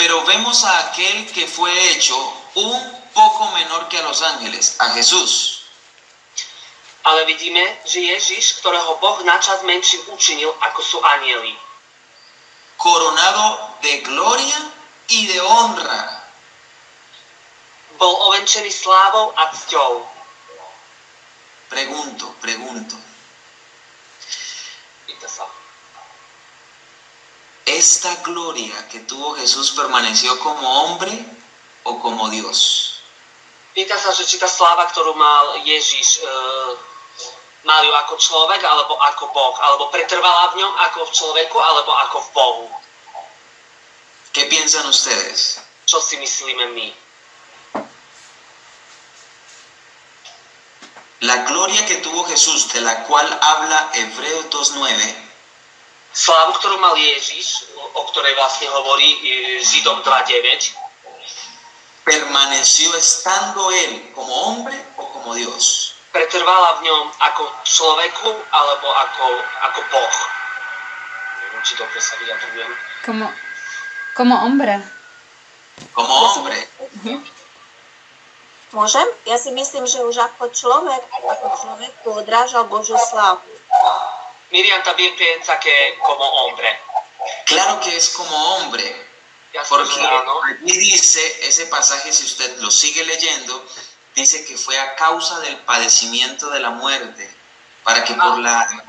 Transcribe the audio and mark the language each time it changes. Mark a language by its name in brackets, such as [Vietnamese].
[Spanish] Pero vemos a aquel que fue hecho un poco menor que a los ángeles, a Jesús. [Slovak] Ale vidíme, že Ježiš, ktorého Boh načas menší učinil, ako sú anjeli. [Spanish] Coronado de gloria y de honra. [Slovak] Bol ovenčený slávou a cťou. [Spanish] Pregunto. [Slovak] Pýta sa. [Spanish] Esta gloria que tuvo Jesús permaneció como hombre o como Dios. [Slovak] Pýta sa, že či tá sláva, ktorú mal Ježiš, mal ju ako človek alebo ako Boh, alebo pretrvala v ňom ako v človeku alebo ako v Bohu. [Spanish] ¿Qué piensan ustedes? [Slovak] Čo si myslíme my? [Spanish] La gloria que tuvo Jesús, de la cual habla Hebreos 2:9. [Slovak] Slávu, ktorú mal Ježiš, o ktorej vlastne hovorí Židom 2:9. [Spanish] Permaneció estando él como hombre o como Dios. [Slovak] Pretrvala v ňom ako človeku alebo ako Boh. Neviem, či dobre sa vyjadrujem. [Spanish] Como hombre. Como hombre. [Slovak] Môžem? Ja si myslím, že už ako človek tu odrážal Božiu slávu. [Spanish] Miriam también piensa que como hombre. Claro que es como hombre. Porque aquí dice, ese pasaje, si usted lo sigue leyendo, dice que fue a causa del padecimiento de la muerte, para que por la